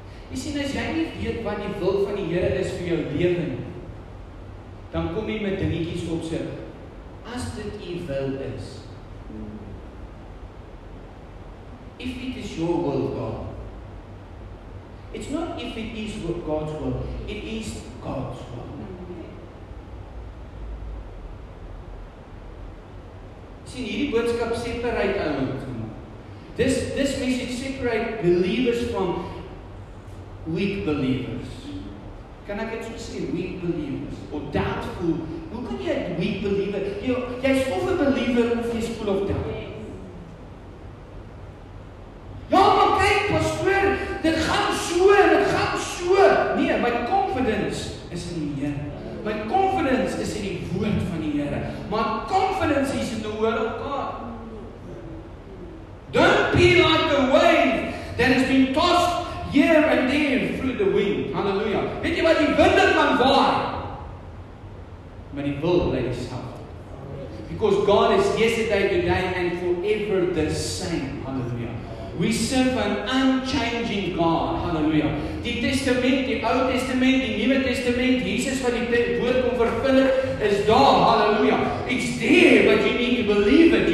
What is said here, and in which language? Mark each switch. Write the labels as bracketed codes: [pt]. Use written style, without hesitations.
[af] Jy sien, as jy nie weet wat die wil van die Here is vir jou lewe nie, dan kom jy met dingetjies op sit. As dit U wil is, [en] if it is your will, God, it's not if it is God's will, it is God's will. [af] Sien, hierdie boodskap separate ouens. [en] This message separate believers from weak believers. [af] Kan ek dit so sê, [en] weak believers or doubtful? [af] Hoe kan jy 'n weak believer? Jy's of 'n believer of jy's [en] full of doubt. [af] Ja, maar kyk, pastoor, dit gaan so, dit gaan so. Nee, my confidence is in die Here. My confidence is in die woord van die Here. [en] My confidence is in the word of God. Don't be like the wave that has been tossed here and there through the wind. Hallelujah. [af] Weet jy wat die winde kan waai? Maar die wil bly dieselfde. [en] Because God is yesterday, today and forever the same. Hallelujah. We serve an unchanging God. Hallelujah. [af] Die testament, die Ou Testament, die Nuwe Testament, Jesus wat die woord kom vervul het, is daar. Hallelujah. [en] It's there, but you need to believe it.